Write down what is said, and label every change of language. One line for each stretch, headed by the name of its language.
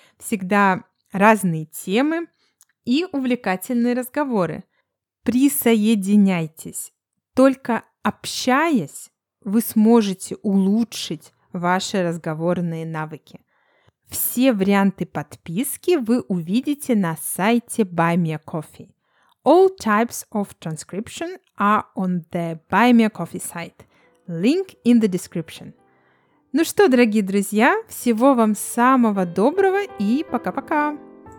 Russian: Всегда разные темы и увлекательные разговоры. Присоединяйтесь. Только общаясь, вы сможете улучшить ваши разговорные навыки. Все варианты подписки вы увидите на сайте Buy Me a Coffee.
English: All types of transcription are on the Buy Me a Coffee site. Link in the description.
Russian: Ну что, дорогие друзья, всего вам самого доброго и пока-пока!